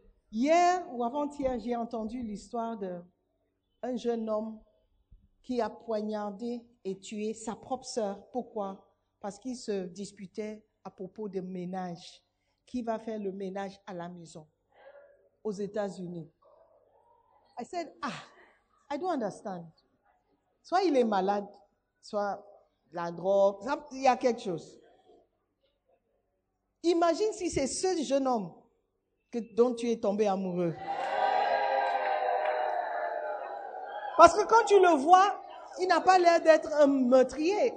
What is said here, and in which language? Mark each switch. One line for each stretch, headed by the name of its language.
French: Hier ou avant-hier, j'ai entendu l'histoire d'un jeune homme qui a poignardé et tué sa propre sœur. Pourquoi? Parce qu'il se disputait à propos de ménage. Qui va faire le ménage à la maison? Aux États-Unis.
English: I said, ah, I don't understand.
French: Soit il est malade, soit la drogue, il y a quelque chose. Imagine si c'est ce jeune homme dont tu es tombé amoureux. Parce que quand tu le vois, il n'a pas l'air d'être un meurtrier.